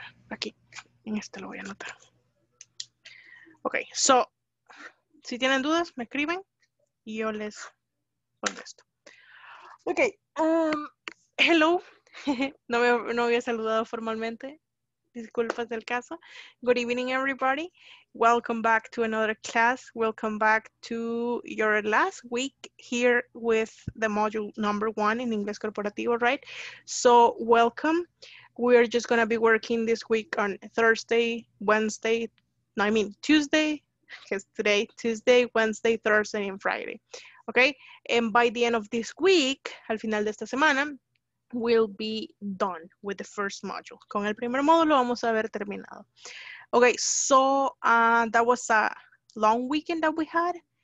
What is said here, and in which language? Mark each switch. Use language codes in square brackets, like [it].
[es] Aquí, en este lo voy a anotar. Ok, so, si tienen dudas, me escriben y yo les contesto. Ok, hello, no había saludado formalmente, disculpas del caso. [en] Good evening, everybody. Welcome back to another class. Welcome back to your last week here with the module number one in English Corporativo, right? So, welcome. We are just going to be working this week on Thursday, Wednesday, no, I mean Tuesday, because today, Tuesday, Wednesday, Thursday, and Friday. Okay? And by the end of this week, [es] al final de esta semana, [en] we'll be done with the first module. [es] Con el primer módulo vamos a haber terminado. [en] Okay, so that was a long weekend that we had.